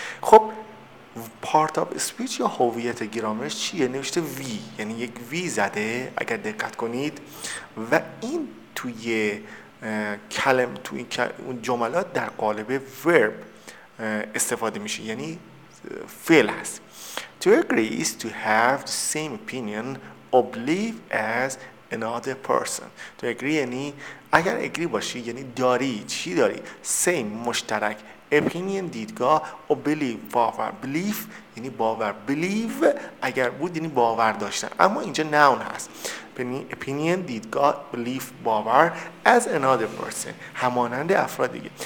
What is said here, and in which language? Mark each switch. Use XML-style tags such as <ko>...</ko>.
<fa>خب part of speech یا هویت گرامرش چیه؟ نوشته وی، یعنی یک وی زده اگر دقت کنید، و این توی کلم توی اون جملات در قالب verb استفاده میشه، یعنی فعل هست.</fa> <en>To agree is to have the same opinion or belief as another person.</en> <fa>To agree یعنی اگر agree باشی، یعنی داری، چی داری؟ same، مشترک، opinion، دیدگاه، و belief، باور، belief یعنی باور، believe اگر بود یعنی باور داشتن، اما اینجا noun هست، یعنی opinion، دیدگاه، belief، باور،</fa> <en>as another person،</en> <fa>همانند افراد دیگه.</fa>